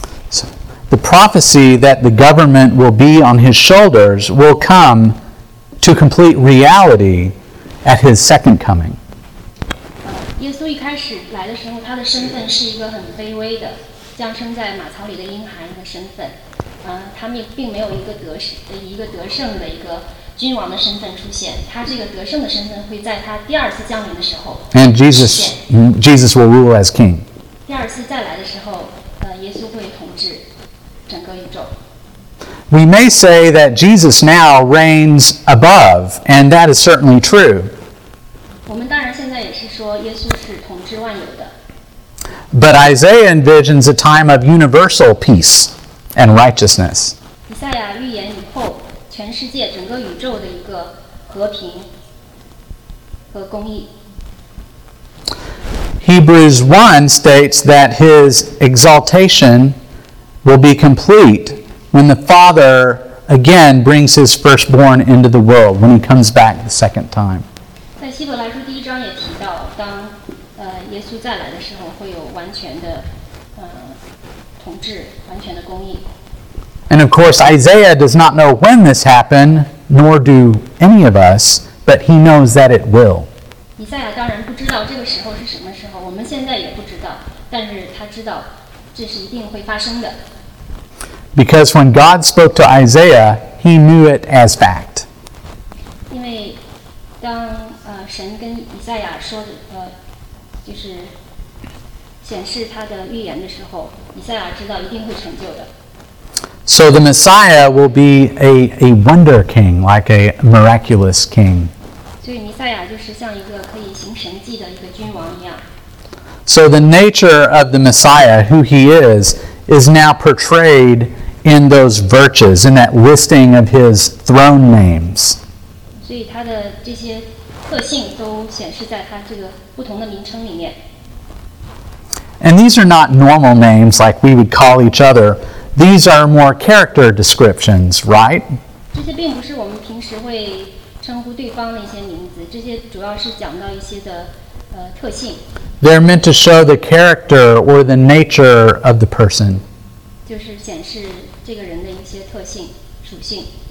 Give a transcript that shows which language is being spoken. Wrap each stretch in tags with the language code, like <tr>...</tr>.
<en>So, the prophecy that the government will be on his shoulders will come to complete reality at his second coming.</en> <zh>耶稣一开始来的时候，他的身份是一个很卑微的，降生在马槽里的婴孩的身份。他们并没有一个得胜的一个君王的身份出现。他这个得胜的身份会在他第二次降临的时候。</zh> <en>And Jesus will rule as king.</en> <zh>第二次再来的时候，耶稣会统治整个宇宙。</zh> <en>We may say that Jesus now reigns above, and that is certainly true.</en> <zh>我们当然现在也是说耶稣是统治万有的。</zh> <en>But Isaiah envisions a time of universal peace and righteousness.</en> <zh>以赛亚预言以后，全世界整个宇宙的一个和平和公义。</zh> <en>Hebrews 1 states that his exaltation will be complete when the Father again brings his firstborn into the world, when he comes back the second time.</en> <zh>在希伯来书第一章也提到，当耶稣再来的时候，会有完全的统治，完全的公义。</zh> <en>And of course, Isaiah does not know when this happened, nor do any of us, but he knows that it will.</en> <zh>以赛亚当然不知道这个时候是什么时候，我们现在也不知道，但是他知道这是一定会发生的。</zh> <en>Because when God spoke to Isaiah, he knew it as fact.</en> <zh>因为当神跟以赛亚说的就是显示他的预言的时候，以赛亚知道一定会成就的。</zh> <en>So the Messiah will be a wonder king, like a miraculous king.</en> <zh>所以弥赛亚就是像一个可以行神迹的一个君王一样。</zh> <en>So the nature of the Messiah, who he is now portrayed in those verses, in that listing of his throne names.</en> <zh>所以他的这些特性都显示在他这个不同的名称里面。</zh> <en>And these are not normal names like we would call each other. these are more character descriptions, right?</en> <zh>这些并不是我们平时会称呼对方的一些名字，这些主要是讲到一些的特性。</zh> <en>They're meant to show the character or the nature of the person.</en> <zh>就是显示这个人的一些特性属性。</zh>